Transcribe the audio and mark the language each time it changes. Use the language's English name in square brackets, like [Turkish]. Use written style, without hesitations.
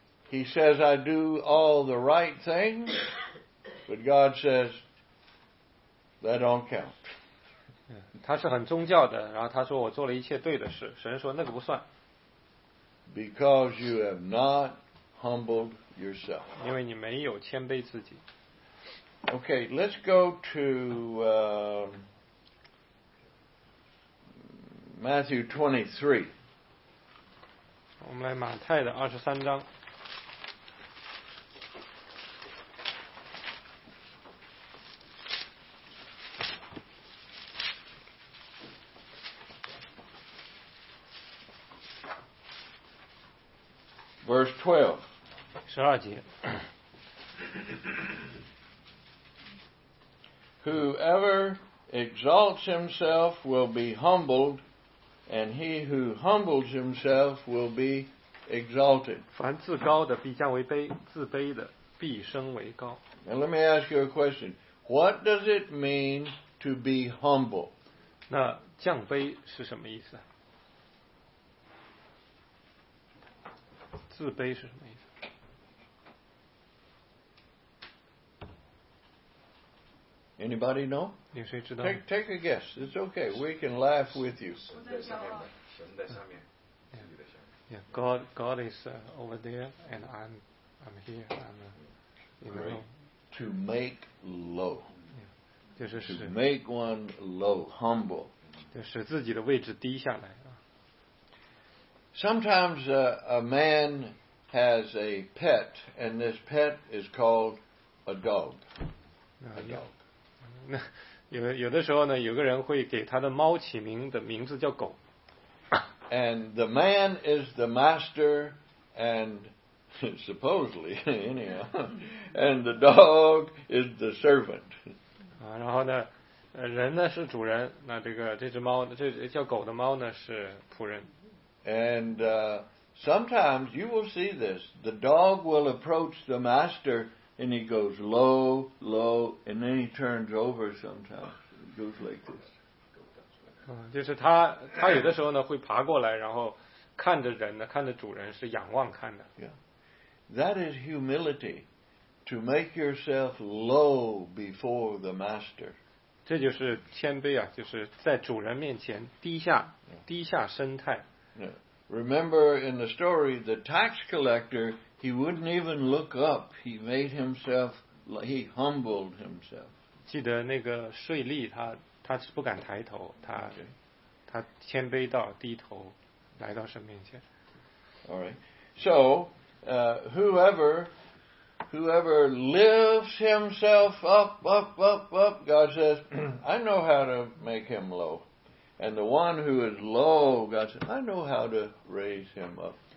[English] He says, I do all the right things. But God says, that don't count. [Chinese] 他是很宗教的，然后他说我做了一切对的事，神说那个不算。 [English] Because you have not humbled yourself. [Chinese] 因为你没有谦卑自己。 [English] Okay, let's go to Matthew 23. [Chinese] 我们来马太的二十三章。 [English] Verse 12. [Chinese] 十二节。 [English] Whoever exalts himself will be humbled, and he who humbles himself will be exalted. [Chinese] 凡自高的必降为卑，自卑的必升为高。 [English] Now let me ask you a question. What does it mean to be humble? [Chinese] 那降卑是什么意思？自卑是什么意思？ [English] Anybody know? [Chinese] 有谁知道？ [English] Take a guess. It's okay. We can laugh with you. [Chinese] 神在下面，神在下面。 [English] Yeah. God is over there, and I'm here. I'm in the room. To make low. [Chinese] Yeah. 就是使 [English] To make one low, humble. [Chinese] 就使自己的位置低下来。 [English] Sometimes a man has a pet, and this pet is called a dog. A dog. [Chinese] 有的时候呢，有个人会给他的猫起名的名字叫狗。 [English] And the man is the master, and supposedly, anyhow, and the dog is the servant. [Chinese] 然后呢，人呢是主人，那这个这只猫，这叫狗的猫呢是仆人。 [English] And sometimes you will see this. The dog will approach the master and he goes low, low, and then he turns over sometimes. It goes like this. [Chinese] 就是他他有的时候呢会爬过来，然后看着人呢，看着主人是仰望看的。 [English] That is humility, to make yourself low before the master. [Chinese] 这就是谦卑啊，就是在主人面前低下，低下身态。 [English] Remember in the story, the tax collector, he wouldn't even look up. He made himself, he humbled himself. [Chinese] 记得那个税吏，他是不敢抬头，他谦卑到低头，来到神面前。 [English] All right. So, whoever lifts himself up, up, up, up, God says, I know how to make him low. And the one who is low, God says, I know how to raise him up.